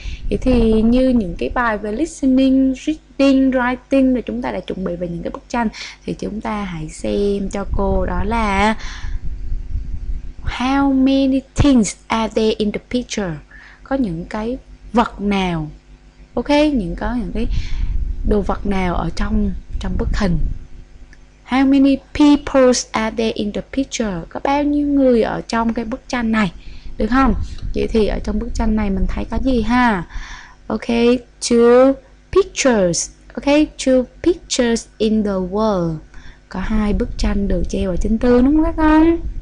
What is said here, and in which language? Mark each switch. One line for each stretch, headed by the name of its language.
Vietnamese: Vậy thì như những cái bài về listening, reading, writing mà chúng ta đã chuẩn bị về những cái bức tranh thì chúng ta hãy xem cho cô đó là
English: how many things are there in the picture?
Vietnamese: Có những cái vật nào? Ok, những có những cái đồ vật nào ở trong trong bức hình?
English: How many people are there in the picture?
Vietnamese: Có bao nhiêu người ở trong cái bức tranh này? Được không? Vậy thì ở trong bức tranh này mình thấy có gì ha? Ok,
English: two pictures.
Vietnamese: Ok,
English: two pictures in the wall.
Vietnamese: Có hai bức tranh được treo ở trên tường đúng không các con?